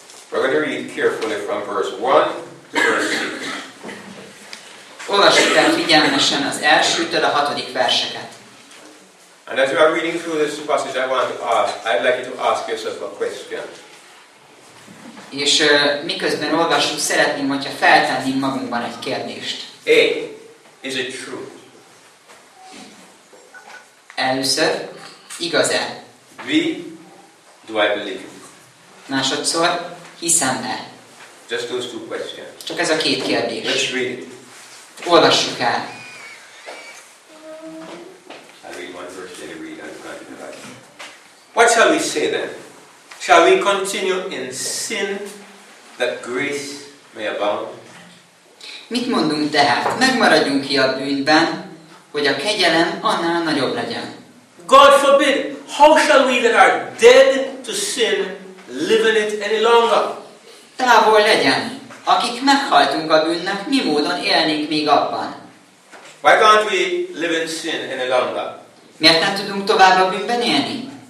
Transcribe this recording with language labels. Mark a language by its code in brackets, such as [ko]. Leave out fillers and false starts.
[en] We're going to read carefully from verse 1 to verse 6. [hu] Olvassuk el figyelmesen az elsőtől a 6. verseket. [en] And as you are reading through this passage, I'd like you to ask yourself a question. [hu] És miközben olvassuk, szeretném, hogyha feltennénk magunkban egy kérdést. [en] A. Is it true? [hu] Először, igaz-e? [en] B. Do I believe? [hu] Másodszor, hiszem-e? [en] Just those two questions. [hu] Csak ez a két kérdés. [en] Let's read it. [hu] Olvassuk el. [en] I'll read one verse, then read another. What shall we say then? Shall we continue in sin that grace may abound? [hu] Mit mondunk tehát? Megmaradjunk ki a bűnben, hogy a kegyelem annál nagyobb legyen. [en] God forbid, how shall we that are dead to sin live in it any longer? [hu] Távol legyen, akik meghaltunk a bűnnek, mi módon élnénk még abban? [en] Why can't we live in sin any longer? [hu] Miért nem tudunk tovább a bűnben élni?